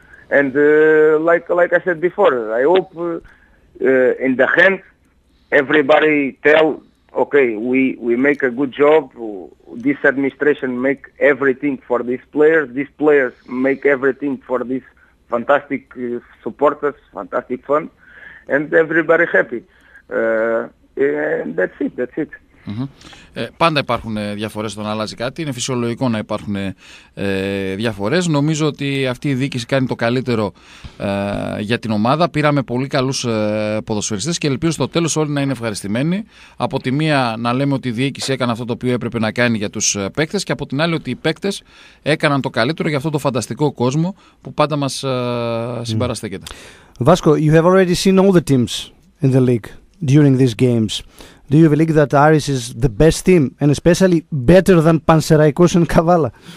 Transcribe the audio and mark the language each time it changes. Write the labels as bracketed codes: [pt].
[en] And like I said before, I hope in the end everybody tell, okay, we make a good job, this administration make everything for these players make everything for these fantastic supporters, fantastic fun, and everybody happy. And that's it. [el] Πάντα υπάρχουν διαφορές όταν αλλάζει κάτι. Είναι φυσιολογικό να υπάρχουν διαφορές. Νομίζω ότι αυτή η διοίκηση κάνει το καλύτερο για την ομάδα. Πήραμε πολύ καλούς ποδοσφαιριστές και ελπίζω στο τέλος όλοι να είναι ευχαριστημένοι. Από τη μία να λέμε ότι η διοίκηση έκανε αυτό το οποίο έπρεπε να κάνει για τους παίκτες, και από την άλλη ότι οι παίκτες έκαναν το καλύτερο για αυτό το φανταστικό κόσμο που πάντα μας συμπαραστέκεται. [en] Vasco, you have already seen all the teams in the league during these games. Do you believe that Aris is the best team, and especially better than Panseraikos and Kavala?